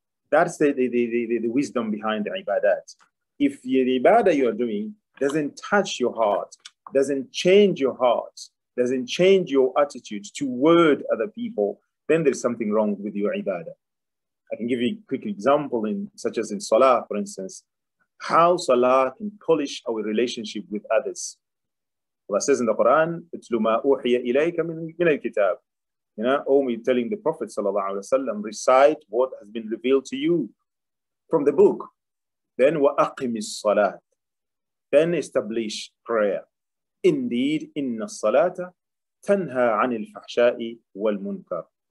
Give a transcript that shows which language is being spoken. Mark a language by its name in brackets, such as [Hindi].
[English] That's the wisdom behind the ibadat. If the ibadah you are doing doesn't touch your heart, doesn't change your heart, doesn't change your attitude toward other people, then there's something wrong with your ibadah. I can give you a quick example such as in salah, for instance, how salah can polish our relationship with others. Allah says in the Quran, [Arabic] اتلو ما أوحي إليك من الكتاب. [English] You know, only telling the Prophet sallallahu alaihi wasallam, recite what has been revealed to you from the book. Then [Arabic] wa aqimis salat. [English] Then establish prayer. Indeed, [Arabic] inna salata tanha anil fahsha'i wal munkar.